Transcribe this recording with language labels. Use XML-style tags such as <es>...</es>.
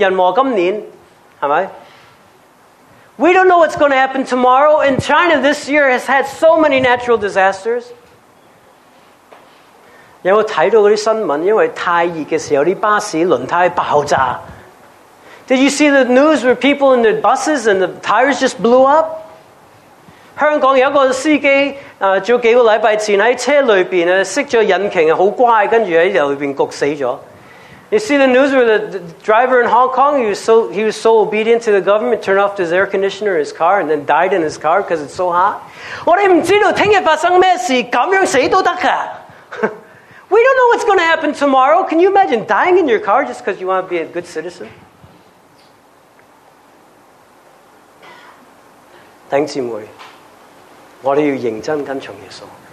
<zh>我们不知道明天发生什么事。中国大陆很多天灾人祸今年,是吧?</zh> <en>We don't know what's going to happen tomorrow, and China this year has had so many natural disasters.</en> <zh>有没有看到那些新闻,因为太热的时候,那些巴士轮胎爆炸。</zh> <en>Did you see the news where people in their buses and the tires just blew up?</en> <zh>香港有一个司机,几个礼拜前,在车里面,熄了引擎,很乖,然后在里面焗死了。</zh> <en>You see the news where the driver in Hong Kong, he was so obedient to the government, turned off his air conditioner in his car and then died in his car because it's so hot?</en> <zh>我们不知道明天发生什么事,这样死都可以。</zh> <en>We don't know what's going to happen tomorrow. Can you imagine dying in your car just because you want to be a good citizen?</en> <zh>弟兄姊妹,我们要认真跟从耶稣。</zh>